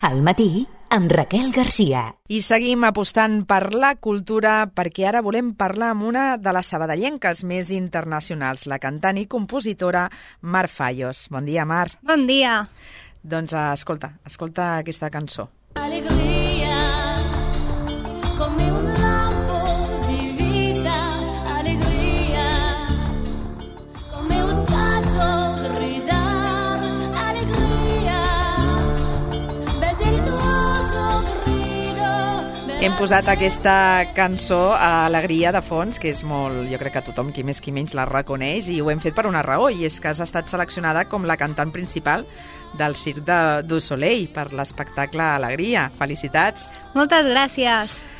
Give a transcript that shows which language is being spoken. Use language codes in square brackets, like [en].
[ca] Al matí, amb Raquel García. I seguim apostant per la cultura, perquè ara volem parlar amb una de les sabadellenques més internacionals, la cantant i compositora Mar Fallos. Bon dia, Mar. Bon dia. Doncs escolta aquesta cançó. [it] Alegria, com un lampo di vita. Alegria, com un pazzo gridar. Alegria, vedere il tuo sorriso. [ca] Hem posat aquesta cançó, Alegria, de fons, que és molt, jo crec que tothom, qui més qui menys, la reconeix, i ho hem fet per una raó, i és que has estat seleccionada com la cantant principal del Circ du Soleil per l'espectacle Alegria. Felicitats. Moltes gràcies.